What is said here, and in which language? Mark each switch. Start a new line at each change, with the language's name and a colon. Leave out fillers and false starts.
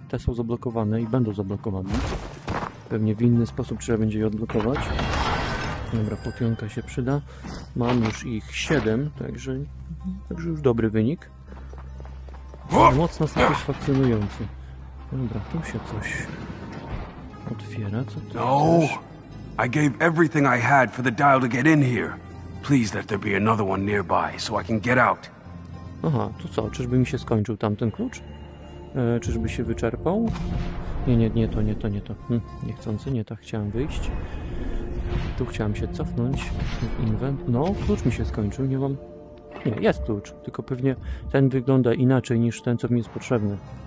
Polish: Te są zablokowane i będą zablokowane. Pewnie w inny sposób trzeba będzie je odblokować. Dobra, popionka się przyda. Mam już ich 7, także już dobry wynik. Mocno satysfakcjonujący. Dobra, tu się coś otwiera, co to? No!
English: I gave everything I had for the dial to get in here. Please let there be another one nearby, so I can get out.
Polish: Aha, to co, czyżby mi się skończył tamten klucz? Czyżby się wyczerpał? Nie to. Niechcący, nie to, chciałem wyjść. Tu chciałem się cofnąć w inwent. No, klucz mi się skończył, nie mam. Nie, jest klucz, tylko pewnie ten wygląda inaczej niż ten, co mi jest potrzebny.